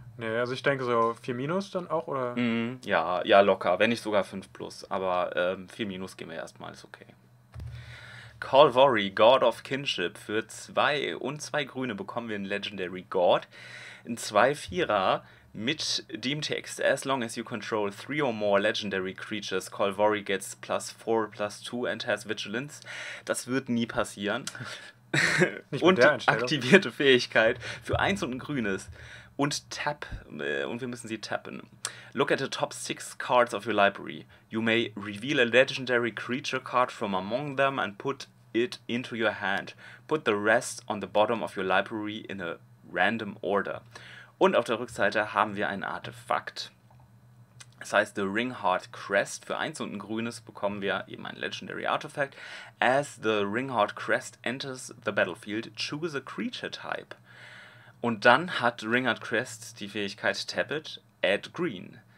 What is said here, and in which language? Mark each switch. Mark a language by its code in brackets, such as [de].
[de] Nee, also ich denke so 4 Minus dann auch, oder? Ja, locker. Wenn nicht sogar 5 Plus. Aber 4 Minus gehen wir erstmal, ist okay. Kalvari, God of Kinship. Für 2 und 2 Grüne bekommen wir einen Legendary God. Ein 2-4er mit dem Text. [en] As long as you control 3 or more legendary creatures, Kalvari gets +4/+2 and has Vigilance. [de] Das wird nie passieren. Nicht und aktivierte Fähigkeit für 1 und ein Grünes. Und tap, und wir müssen sie tappen. [en] Look at the top 6 cards of your library. You may reveal a legendary creature card from among them and put it into your hand. Put the rest on the bottom of your library in a random order. [de] Und auf der Rückseite haben wir ein Artefakt. Das heißt, the Ringheart Crest. Für 1 und ein grünes bekommen wir eben ein Legendary Artefakt. [en] As the Ringheart Crest enters the battlefield, choose a creature type. [de] Und dann hat Ringheart Crest die Fähigkeit [en] Tap it, add green.